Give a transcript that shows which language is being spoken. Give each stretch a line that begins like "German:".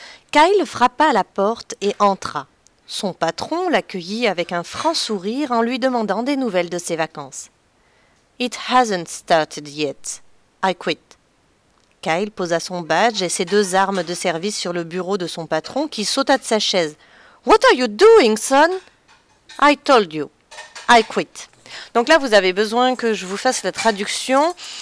French: Kyle frappa à la porte et entra. Son patron l'accueillit avec un franc sourire en lui demandant des nouvelles de ses vacances. «
English: It hasn't started yet. I quit.
French: » Kyle posa son badge et ses deux armes de service sur le bureau de son patron qui sauta de sa chaise.
English: « What are you doing, son ?»« I told you. I quit.
French: » Donc là, vous avez besoin que je vous fasse la traduction.